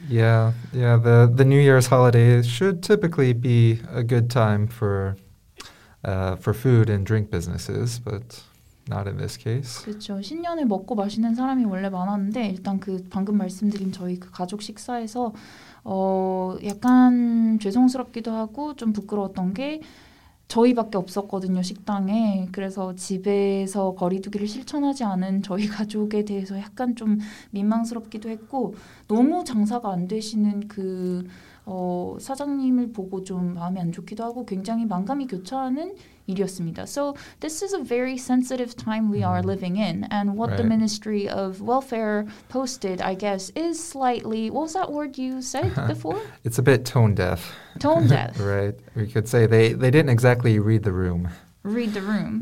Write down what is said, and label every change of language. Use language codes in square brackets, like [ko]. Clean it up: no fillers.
[en] Yeah, the New Year's holiday should typically be a good time for food and drink businesses, but not in this case. [ko] 그렇죠. 신년에 먹고 마시는 사람이 원래 많았는데 일단 그 방금 말씀드린 저희 그 가족 식사에서 약간 죄송스럽기도 하고 좀 부끄러웠던 게 저희밖에 없었거든요, 식당에. 그래서 집에서 거리두기를 실천하지 않은 저희 가족에 대해서 약간 좀 민망스럽기도 했고 너무 장사가 안 되시는 그 사장님을 보고 좀 마음이 안 좋기도 하고 굉장히 망감이 교차하는 일이었습니다. [en] So this is a very sensitive time we are living in, and what the Ministry of Welfare posted, I guess, is slightly. What was that word you said before? It's a bit tone deaf. Tone deaf. Right. We could say they didn't exactly read the room. Read the room.